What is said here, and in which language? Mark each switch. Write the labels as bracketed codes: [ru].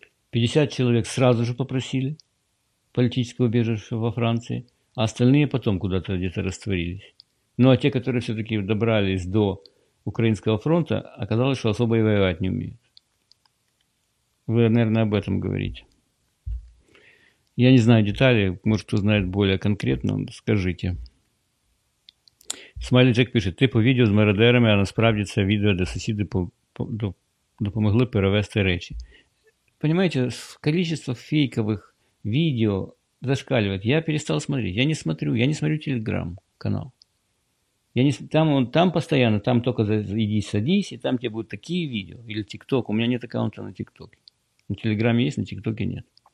[ru] 50 человек сразу же попросили политического убежища во Франции, а остальные потом куда-то где-то растворились. Ну, а те, которые все-таки добрались до украинского фронта, оказалось, что особо и воевать не умеют. Вы, наверное, об этом говорите. Я не знаю детали, может, кто знает более конкретно, скажите. [uk] Смайли Джек пишет, типу відео з мародерами, а насправді це відео, де сусіди допомогли перевести речі. [ru] Понимаете, количество фейковых видео зашкаливает. Я перестал смотреть. Я не смотрю телеграм-канал. Там постоянно, там только иди садись, и там тебе будут такие видео. Или ТикТок. У меня нет аккаунта на ТикТоке. На Телеграме есть, на ТикТоке нет.